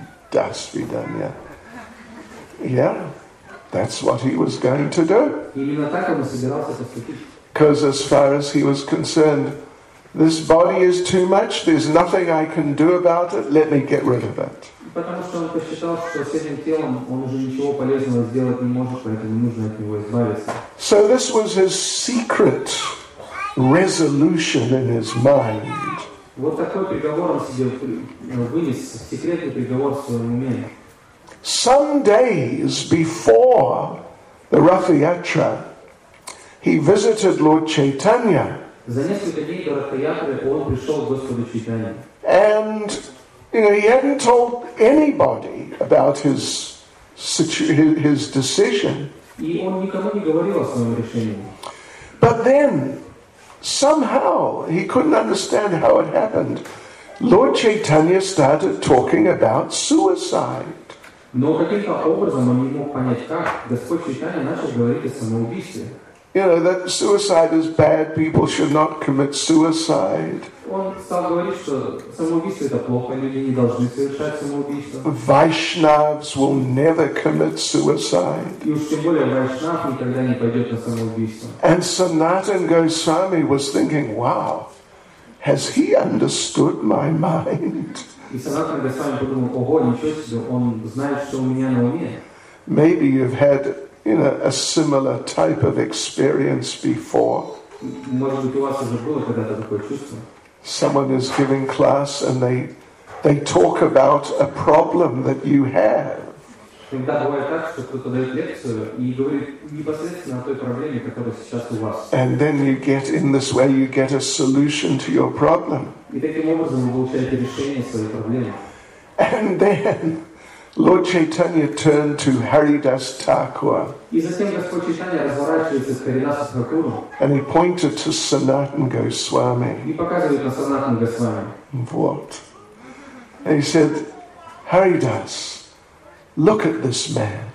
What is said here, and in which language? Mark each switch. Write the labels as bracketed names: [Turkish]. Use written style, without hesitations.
[English] Das vidanya. Yeah, that's what he was going to do. Because as far as he was concerned, this body is too much, there's nothing I can do about it, let me get rid of it. [Russian] Потому что он посчитал, что с этим телом он уже ничего полезного сделать не может, поэтому нужно от него избавиться. [English] So this was his secret resolution in his mind. [Russian] Вот такой приговор он сидел, вынес секретный приговор в своем уме. [English] Some days before the Ratha Yatra, he visited Lord Chaitanya. And you know, he hadn't told anybody about his decision. But then, somehow, he couldn't understand how it happened. Lord Chaitanya started talking about suicide. [Russian] Но каким-то образом он не мог понять, как Господь Читания начал говорить о самоубийстве. [English] You know, that suicide is bad, people should not commit suicide. [Russian] Он стал говорить, что самоубийство это плохо, люди не должны совершать самоубийство. [English] Vaishnavs will never commit suicide. [Russian] И уж тем более Вайшнав никогда не пойдет на самоубийство. [English] And Sanatan Goswami was thinking, wow, has he understood my mind? [Russian] И Санатан Госвами подумал, ого, ничего себе, он знает, что у меня на уме. [English] Maybe you've had, you know, a similar type of experience before. [Russian] Может быть, у вас уже было когда-то такое чувство? [English] Someone is giving class and they talk about a problem that you have. [Russian] Иногда бывает так, что кто-то дает лекцию и говорит непосредственно о той проблеме, которая сейчас у вас. [English] And then you get in this way, you get a solution to your problem. [Russian] И таким образом вы получаете решение своей проблемы. [English] And then Lord Chaitanya turned to Haridas Thakur. [Russian] И затем Господь Чайтанья разворачивается к Харидасу Такуру. [English] And he pointed to Sanatan Goswami. [Russian] И показывает на Санатан Госвами. [English] What? And he said, Haridas, look at this man.